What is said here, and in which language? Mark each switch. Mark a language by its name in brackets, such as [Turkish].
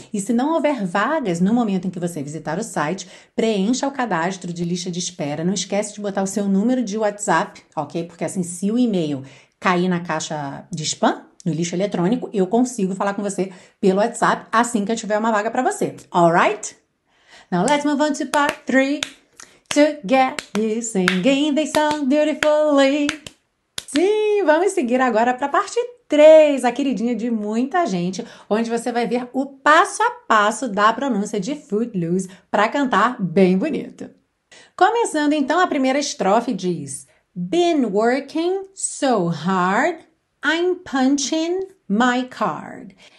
[Portuguese] E se não houver vagas no momento em que você visitar o site, preencha o cadastro de lista de espera. Não esquece de botar o seu número de WhatsApp, ok? Porque assim, se o e-mail cair na caixa de spam, no lixo eletrônico, eu consigo falar com você pelo WhatsApp assim que eu tiver uma vaga para você. All right? [English] Now let's move on to part 3. To get you singing the song beautifully. [Portuguese] Sim, vamos seguir agora para a parte 3, a queridinha de muita gente, onde você vai ver o passo a passo da pronúncia de Footloose para cantar bem bonito. Começando então, a primeira estrofe diz: [English] Been working so hard, I'm punching my card.